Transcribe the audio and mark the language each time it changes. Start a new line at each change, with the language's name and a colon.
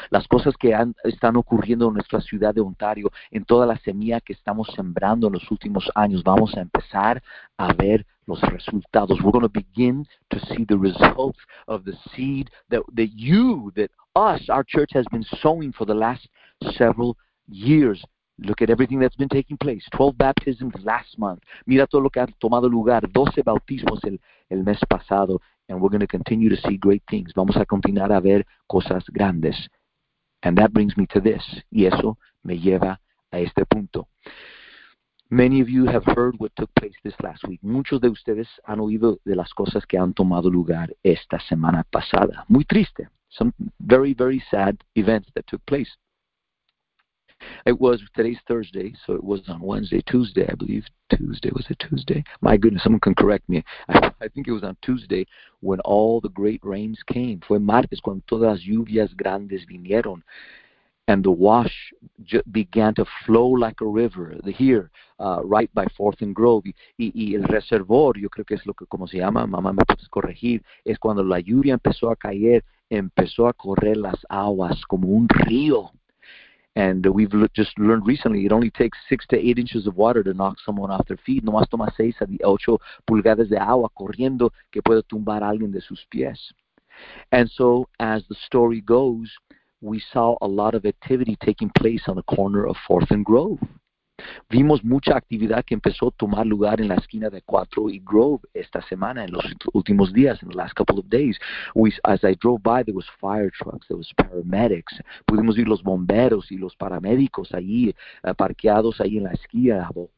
Spanish: Las cosas que están ocurriendo en nuestra ciudad de Ontario, en toda la semilla que estamos sembrando en los últimos años, vamos a empezar a ver los resultados.
English: We're going to begin to see the results of the seed that us, our church, has been sowing for the last several years. Look at everything that's been taking place. 12 baptisms last month.
Spanish: Mira todo lo que ha tomado lugar. 12 bautismos el mes pasado.
English: And we're going to continue to see great things.
Spanish: Vamos a continuar a ver cosas grandes.
English: And that brings me to this.
Spanish: Y eso me lleva a este punto.
English: Many of you have heard what took place this last week.
Spanish: Muchos de ustedes han oído de las cosas que han tomado lugar esta semana pasada. Muy triste.
English: Some very, very sad events that took place. Today's Thursday, so it was on Wednesday, Tuesday, I believe. Tuesday, was it Tuesday? My goodness, someone can correct me. I think it was on Tuesday when all the great rains came.
Spanish: Fue martes cuando todas las lluvias grandes vinieron.
English: And the wash began to flow like a river here, right by 4th and Grove.
Spanish: Y el reservor, yo creo que es lo que, como se llama, mamá me puedes corregir, es cuando la lluvia empezó a caer, empezó a correr las aguas como un río.
English: And we've just learned recently, it only takes 6 to 8 inches of water to knock someone off their feet.
Spanish: No más toma 6 a 8 pulgadas de agua corriendo que puede tumbar a alguien de sus pies.
English: And so, as the story goes, we saw a lot of activity taking place on the corner of 4th and Grove.
Spanish: Vimos mucha actividad que empezó a tomar lugar en la esquina de 4 y Grove esta semana, en los últimos días,
English: in the last couple of days. As I drove by, there was fire trucks, there was paramedics.
Spanish: Pudimos ver los bomberos y los paramédicos ahí, parqueados ahí en la esquina.